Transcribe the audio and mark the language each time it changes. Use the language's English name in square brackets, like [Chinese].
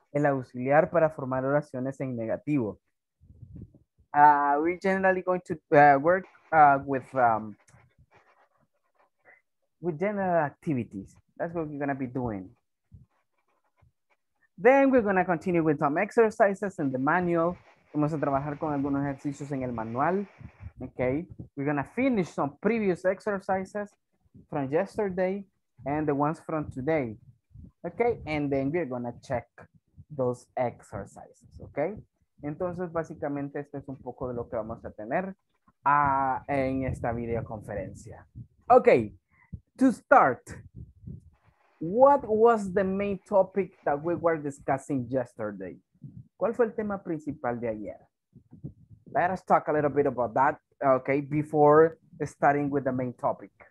[Spanish] El auxiliar para formar oraciones en negativo. [English] We're generally going to work with general activities. That's what we're going to be doing. Then we're going to continue with some exercises in the manual. [Spanish] Vamos a trabajar con algunos ejercicios en el manual. [English] Okay. We're going to finish some previous exercises from yesterday and the ones from today. Okay. And then we're going to check those exercises. Okay. [Spanish] Entonces, básicamente, esto es un poco de lo que vamos a tener en esta videoconferencia. [English] Okay, to start, what was the main topic that we were discussing yesterday? [Spanish] ¿Cuál fue el tema principal de ayer? [English] Let us talk a little bit about that, okay, before starting with the main topic.